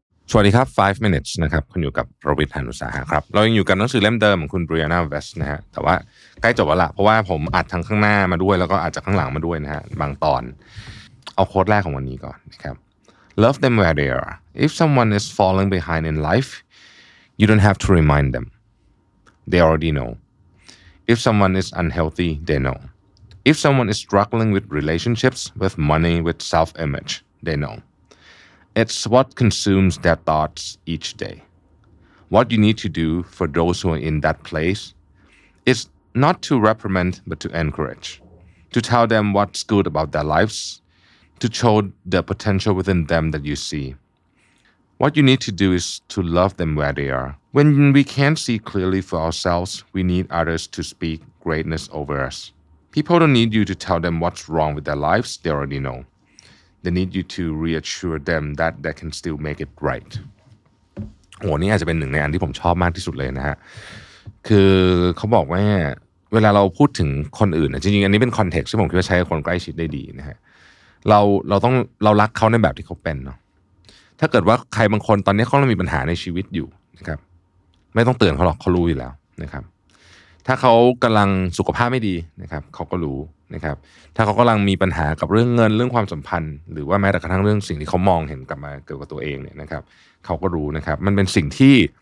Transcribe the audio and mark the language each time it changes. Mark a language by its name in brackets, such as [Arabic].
[Thai] สวัสดีครับ5 minutes นะครับคุณอยู่กับประวิทย์หันอุตสาหะครับเรายังอยู่กับหนังสือเล่มเดิมของคุณบรีอานาเวสนะฮะแต่ว่าใกล้จบแล้วล่ะเพราะว่าผมอัดทั้งข้างหน้ามาด้วยแล้วก็อาจจะข้างหลังมาด้วยนะฮะบางตอนเอาโค้ดแรกของวันนี้ก่อนนะครับ [English] Love them where they are if someone is falling behind in life you don't have to remind themThey already know. If someone is unhealthy, they know. If someone is struggling with relationships, with money, with self-image, they know. It's what consumes their thoughts each day. What you need to do for those who are in that place is not to reprimand, but to encourage. To tell them what's good about their lives. To show the potential within them that you see. What you need to do is to love them where they are. When we can't see clearly for ourselves, we need others to speak greatness over us. People don't need you to tell them what's wrong with their lives, they already know. They need you to reassure them that they can still make it right. [Thai] โอ้นี่อาจจะเป็นหนึ่งในอันที่ผมชอบมากที่สุดเลยนะฮะคือเขาบอกว่าเวลาเราพูดถึงคนอื่นจริงๆอันนี้เป็นคอนเทกซ์ที่ผมคิดว่าใช้กับคนใกล้ชิดได้ดีนะฮะเรา รักเขาในแบบที่เขาเป็นเนาะถ้าเกิดว่าใครบางคนตอนนี้เขามีปัญหาในชีวิตอยู่นะครับไม่ต้องเตือนเขาหรอกเขารู้อยู่แล้วนะครับถ้าเขากำลังสุขภาพไม่ดีนะครับเขาก็รู้นะครับถ้าเขากำลังมีปัญหากับเรื่องเงินเรื่องความสัมพันธ์หรือว่าแม้แต่กระทั่งเรื่องสิ่งที่เขามองเห็นกลับมาเกี่ยวกับตัวเองเนี่ยนะครับเขาก็รู้นะครับมันเป็นสิ่งที่